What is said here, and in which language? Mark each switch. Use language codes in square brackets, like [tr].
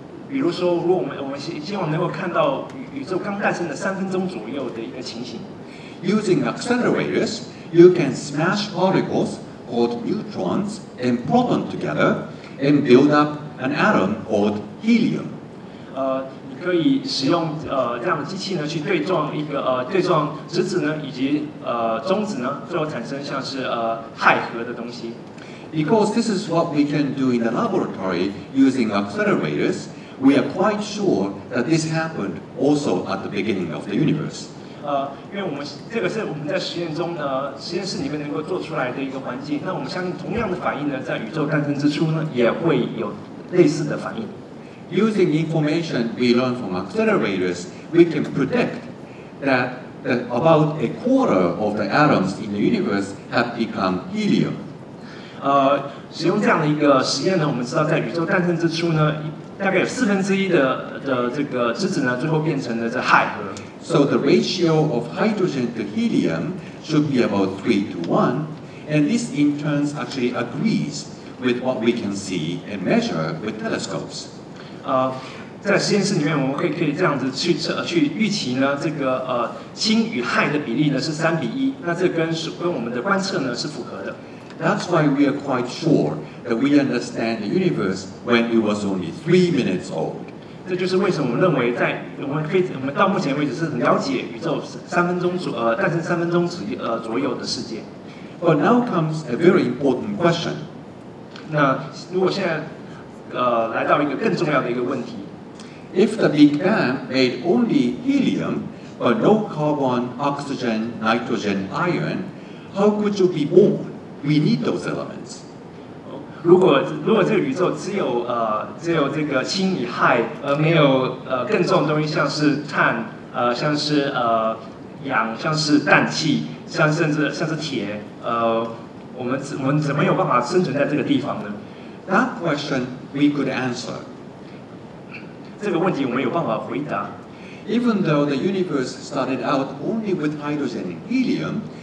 [zh] 比如说，如果我们希望能够看到宇宙刚诞生的3分钟左右的一个情形 [en] ，using accelerators, you can smash particles called neutrons and protons together and build up an atom called helium. [zh] 可以使用这样的机器呢去对撞一个对撞质子呢以及中子呢，最后产生像是氦核的东西。 [en] Because this is what we can do in the laboratory using accelerators, we are quite sure that this happened also at the beginning of the universe. [zh] 因为我们这个是我们在实验中实验室里面能够做出来的一个环境，那我们相信同样的反应呢，在宇宙诞生之初呢，也会有类似的反应。 [en] Using information we learn from accelerators, we can predict that about a quarter of the atoms in the universe have become helium. [zh] 使用这样的一个实验呢，我们知道在宇宙诞生之初呢，大概有四分之一 的这个质子呢，最后变成了这氦核。 [en] So the ratio of hydrogen to helium should be about 3-1, and this in turn actually agrees with what we can see and measure with telescopes. [zh] 在实验室里面，我们可以这样子去预期呢，这个氢与氦的比例呢是3:1，那这跟我们的观测呢是符合的。 [en] That's why we are quite sure that we understand the universe when it was only 3 minutes old. [zh] 这就是为什么我们认为在我们到目前为止是很了解宇宙诞生三分钟左右的世界。 [en] But now comes a very important question. [zh] 那如果现在来到一个更重要的一个问题 [en] ，If the Big Bang made only helium but no carbon, oxygen, nitrogen, iron, how could you be born? We need those elements. [zh] 如果这个宇宙只有这个氢与氦，而没有更重的东西，像是碳，像是氧，像是氮气，甚至像是铁，我们怎么有办法生存在这个地方呢 [en] ？That question we could answer. [zh] 这个问题我们有办法回答。 [en] Even though the universe started out only with hydrogen and helium.